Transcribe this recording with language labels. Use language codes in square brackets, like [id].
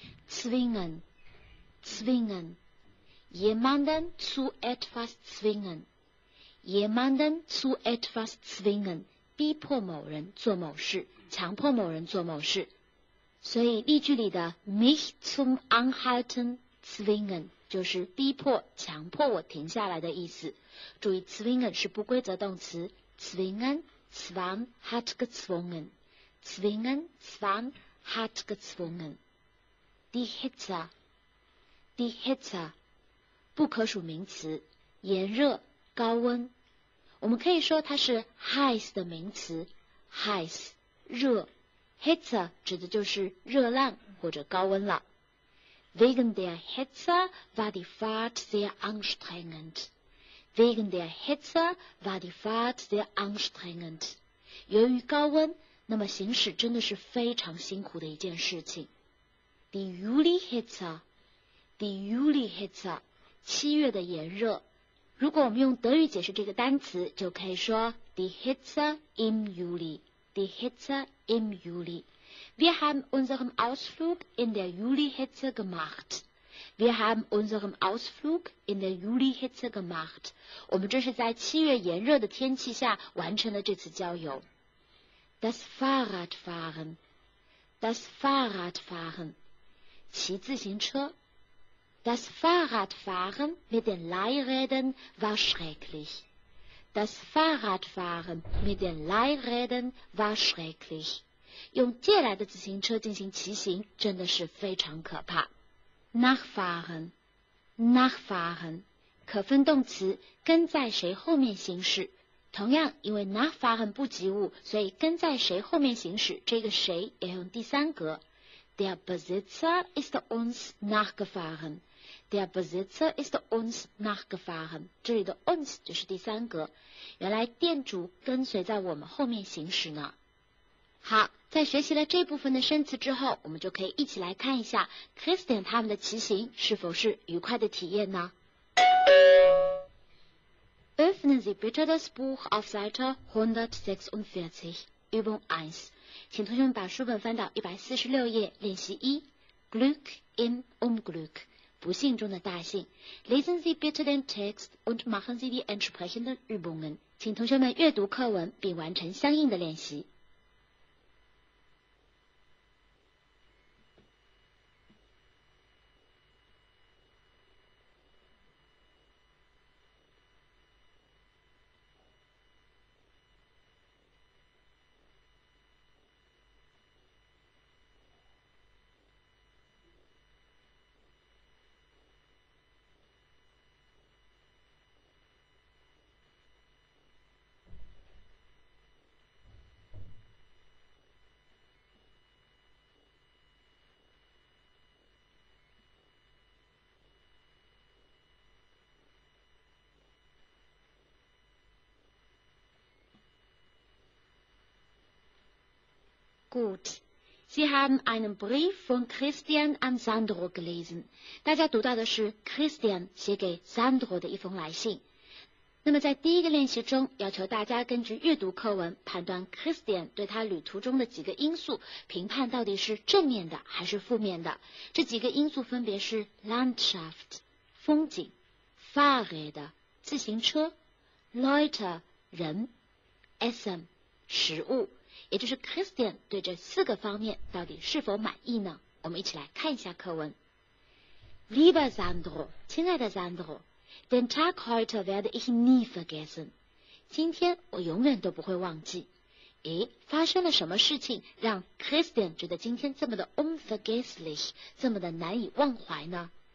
[de] Zwingen, zwingen, jemanden zu etwas zwingen, jemanden zu etwas zwingen, [zh] 逼迫某人做某事，强迫某人做某事。所以例句里的 [de] mich zum Anhalten zwingen [zh] 就是逼迫强迫我停下来的意思。注意 [de] zwingen [zh] 是不规则动词 [de] zwingen zwang hat gezwungen, zwingen zwang hat gezwungen. Die Hitze, die Hitze, [zh] 不可数名词，炎热高温。我们可以说它是 heiß 的名词 heiß, 热。 Hitze 指的就是热浪或者高温了。 [de] Wegen der Hitze war die Fahrt sehr anstrengend. Wegen der Hitze war die Fahrt sehr anstrengend. [zh] 由于高温，那么行驶真的是非常辛苦的一件事情。 [de] Die Juli Hitze, die Juli Hitze, [zh] 七月的炎热。如果我们用德语解释这个单词，就可以说 [de] die Hitze im Juli. Die Hitze im Juli. Wir haben unseren Ausflug in der Juli-Hitze gemacht. Wir haben unseren Ausflug in der Juli-Hitze gemacht. [zh] 我们这是在七月炎热的天气下完成了这次郊游。 [de] Das Fahrradfahren. Das Fahrradfahren. [zh] 骑自行车。 [de] Das Fahrradfahren mit den Leihrädern war schrecklich. Das Fahrradfahren mit den Leihrädern war schrecklich. [zh] 用借来的自行车进行骑行真的是非常可怕。 [de] Nachfahren, nachfahren, [zh] 可分动词，跟在谁后面行驶。同样，因为 nachfahren 不及物，所以跟在谁后面行驶，这个谁要用第三格。 [de] Der Besitzer ist uns nachgefahren. Der Besitzer ist uns nachgefahren. [zh] 这里的 uns 就是第三格，原来店主跟随在我们后面行驶呢。好，在学习了这部分的生词之后，我们就可以一起来看一下 Christian 他们的骑行是否是愉快的体验呢？ [de] Öffnen Sie bitte das Buch auf Seite 146, Übung 1. [zh] 请同学们把书本翻到146页，练习一。 [de] Glück im Unglück. [zh] 不幸中的大幸。 [de] Lesen Sie bitte den Text und machen Sie die entsprechenden Übungen. [zh] 请同学们阅读课文并完成相应的练习。 [de] Gut, Sie haben einen Brief von Christian an Sandro gelesen. [zh] 大家读到的是 Christian 写给 Sandro 的一封来信。那么在第一个练习中，要求大家根据阅读课文判断 Christian 对他旅途中的几个因素评判到底是正面的还是负面的。这几个因素分别是 Landschaft 风景 Fahrräder 自行车 Leute 人 Essen 食物。也就是 Christian 对这四个方面到底是否满意呢？我们一起来看一下课文。 [de] Lieber Sandro, [zh] 亲爱的 [de] Sandro, den Tag heute werde ich nie vergessen. [zh] 今天我永远都不会忘记。诶，发生了什么事情让 Christian 觉得今天这么的 [de] unvergesslich, [zh] 这么的难以忘怀呢？